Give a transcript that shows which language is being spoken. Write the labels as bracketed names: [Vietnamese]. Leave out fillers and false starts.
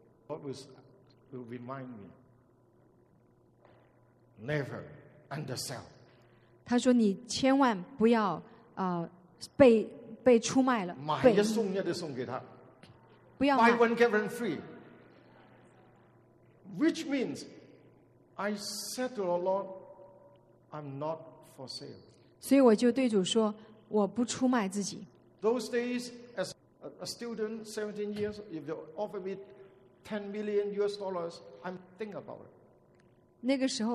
[English] What will remind me? Never undersell. [Chinese] 他说：“你千万不要被出卖了，买一送一的送给他，不要买。” [English] Buy one, get one free. Which means, I said to the Lord, I'm not for sale. [Chinese] 所以我就对主说，我不出卖自己。 [English] Those days, as a student, 17 years, if you offer me $10 million, I'm thinking about it.